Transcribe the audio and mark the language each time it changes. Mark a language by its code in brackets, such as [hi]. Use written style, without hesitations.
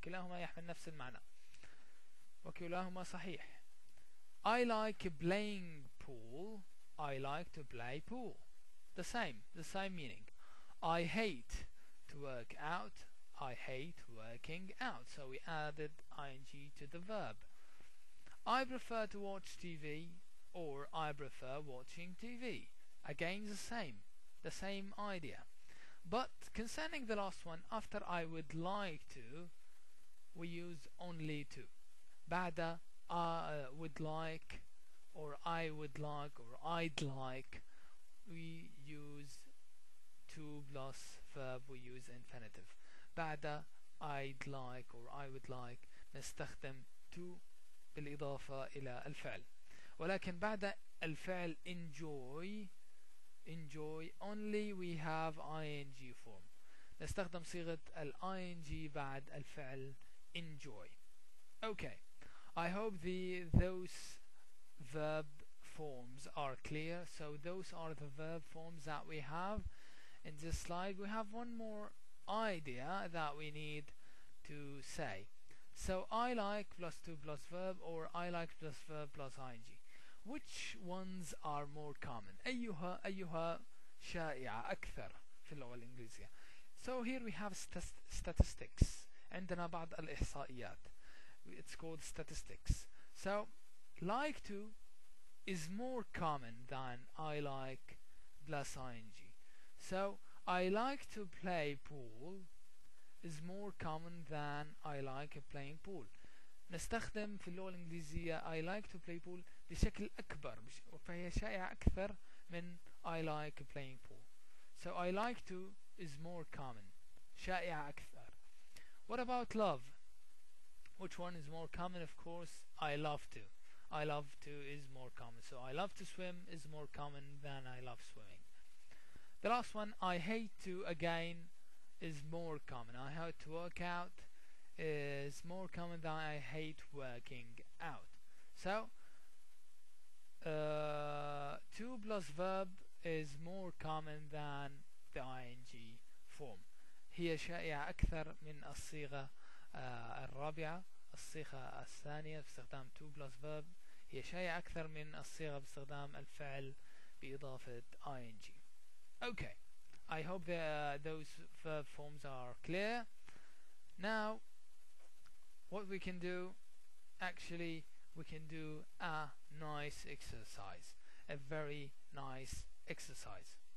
[ar] كلاهما يحمل نفس المعنى وكلاهما صحيح. [en] I like playing pool, I like to play pool, the same meaning. I hate to work out, I hate working out, so we added ing to the verb. I prefer to watch TV or I prefer watching TV, again the same idea. But concerning the last one, after I would like to, we use only to. [ar] بعد [en] would like or I would like or I'd like, we use to plus verb, we use infinitive. [ar] بعد [en] I'd like or I would like [ar] نستخدم to بالإضافة إلى الفعل. ولكن بعد الفعل enjoy [en] enjoy only we have ing form. [ar] نستخدم صيغة ال ing بعد الفعل enjoy. [en] Okay, I hope those verb forms are clear. So those are the verb forms that we have in this slide. We have one more idea that we need to say. So I like plus two plus verb, or I like plus verb plus ing. Which ones are more common? [ar] أيها شائعة أكثر في اللغة الإنجليزية. [en] So here we have statistics. [ar] عندنا بعض الإحصائيات. [en] It's called statistics. So like to is more common than I like plus ing. So I like to play pool is more common than I like playing pool. [ar] نستخدم في اللغة الإنجليزية [en] I like to play pool [ar] بشكل أكبر, فهي شائعة أكثر من [en] I like playing pool. So I like to is more common, [ar] شائعة أكثر. [en] What about love? Which one is more common? Of course, I love to. I love to is more common. So I love to swim is more common than I love swimming. The last one, I hate to again, is more common. I hate to work out is more common than I hate working out. So, 2 plus verb is more common than the ing form. [ar] هي شائعة أكثر من الصيغة الرابعة, الصيغة الثانية باستخدام [en] 2 plus verb. [ar] هي شائعة أكثر من الصيغة باستخدام الفعل بإضافة ing. [en] Okay, I hope that those verb forms are clear. Now, what we can do, actually, we can do a nice exercise, a very nice exercise.